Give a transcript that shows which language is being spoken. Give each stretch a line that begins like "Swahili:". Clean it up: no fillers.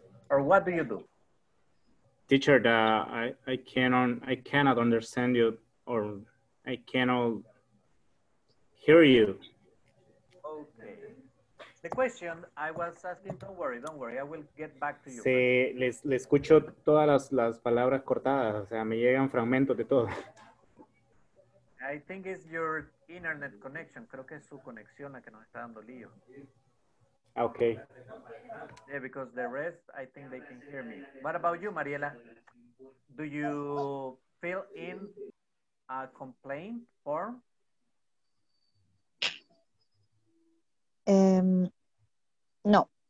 English: Or what do you do? Teacher, I cannot understand you, or I cannot hear you. Okay. The question I was asking, don't worry, I will get back to you.
Spanish: Sí, le escucho todas las palabras cortadas, o sea, me llegan fragmentos de todo.
English: I think it's your internet connection.
Spanish: Creo que es su conexión la que nos está dando lío.
English: Okay. Yeah, because the rest, I think they can hear me. What about you, Mariela? Do you fill in a complaint form? No.